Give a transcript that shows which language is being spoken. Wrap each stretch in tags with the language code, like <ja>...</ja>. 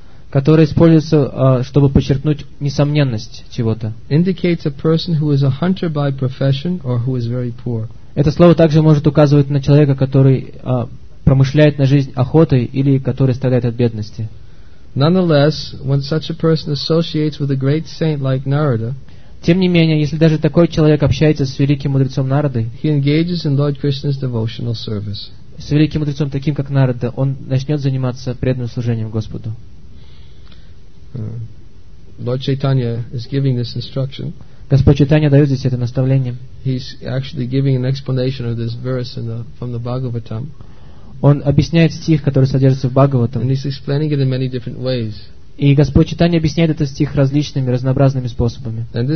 <ru>которое используется, чтобы подчеркнуть несомненность чего-то,</ru> <en>indicates a person who is a hunter by profession or who is very poor.</en> <ru>Это слово также может указывать на человека, который промышляет на жизнь охотой или который страдает от бедности.</ru> <en>Nonetheless, when such a person associates with a great saint like Narada,</en> <ru>тем не менее, если даже такой человек общается с великим мудрецом Нарадой,</ru> <en>he engages in Lord Krishna's devotional service.</en> <ru>С великим мудрецом таким как Нарада, он начнет заниматься преданным служением Господу.</ru> <en>Lord Chaitanya is giving this instruction.</en> <ru>Господь Чайтанья дает здесь это наставление.</ru> <en>He's actually giving an explanation of this verse from the Bhagavatam.</en> <ru>Он объясняет стих, который содержится в Бхагаватам.</ru> <en>And he's explaining it in many different ways.</en> <ru>И Господь Читания объясняет этот стих различными, разнообразными способами.</ru>